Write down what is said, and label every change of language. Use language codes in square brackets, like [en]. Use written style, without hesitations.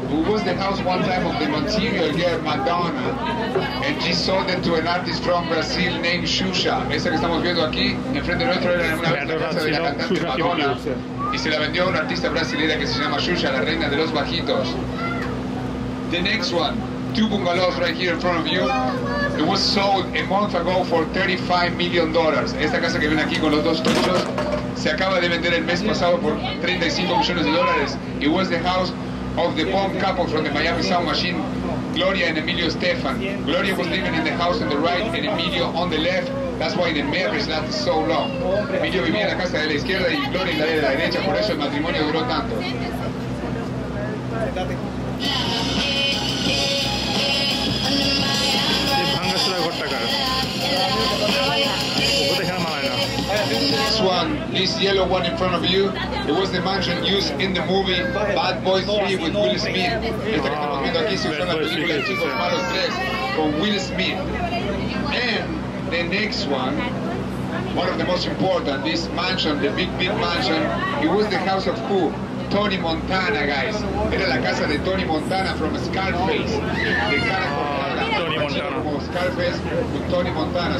[en] Who was the house one time of the material girl, Madonna? And she sold it to an artist from Brazil named Xuxa. [es] Esa que estamos viendo aquí, enfrente nuestro, era una casa de la cantante Madonna. Y se la vendió a una artista brasileña que se llama Xuxa, la reina de los bajitos. [en] The next one, two bungalows right here in front of you. It was sold a month ago for $35 million. [es] Esta casa que ven aquí con los dos techos, se acaba de vender el mes pasado por $35 million. [en] It was the house of the bomb couple from the Miami Sound Machine, Gloria and Emilio Estefan. Gloria was living in the house on the right and Emilio on the left. That's why the marriage lasted so long. [es] Emilio vivía en la casa de la izquierda y Gloria en la de la derecha, por eso el matrimonio duró tanto. [en] This one, this yellow one in front of you, it was the mansion used in the movie Bad Boys 3 with Will Smith. [es] Estamos viendo aquí si fue la película de Chicos Malos 3 con Will Smith. [en] And the next one, one of the most important, this mansion, the big, big mansion, it was the house of who? [es] Tony Montana, guys. Era la casa de Tony Montana [en] from Scarface. [es] De cara [en] Tony Montana. Scarface with Tony Montana.